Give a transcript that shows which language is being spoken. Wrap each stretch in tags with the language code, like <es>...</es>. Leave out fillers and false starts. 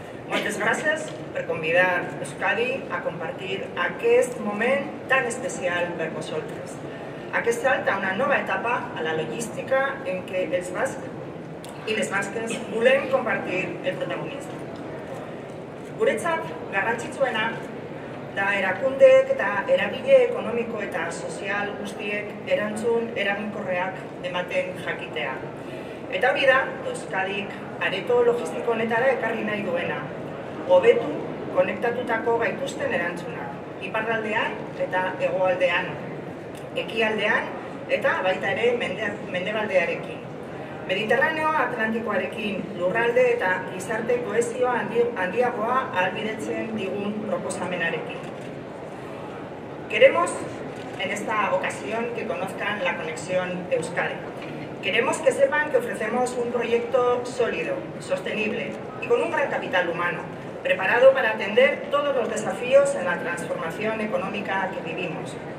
<ca>Moltes gràcies per convidar Euskadi a compartir aquest moment tan especial per vosaltres. Aquest salt a una nova etapa a la logística en què els bascs i les basques volem compartir el protagonisme.</ca> <eu>Guretzat, garrantzitzuena da erakundeek eta eragile ekonomiko eta sozial guztiek erantzun eraginkorreak ematen jakitea. Eta hori da, Euskadik areto logistiko honetara ekarri nahi duena. Hobetu konektatutako gaituzten erantzunak, iparraldean eta hegoaldean, ekialdean eta baita ere mendebaldearekin. Mediterraneoa Atlantikoarekin lurralde eta gizarte kohesioa handiagoa ahalbidetzen digun proposamenarekin.</eu> <es>Queremos, en esta ocasión, que conozcan la conexión Euskadi. Queremos que sepan que ofrecemos un proyecto sólido, sostenible y con un gran capital humano, preparado para atender todos los desafíos en la transformación económica que vivimos.</es>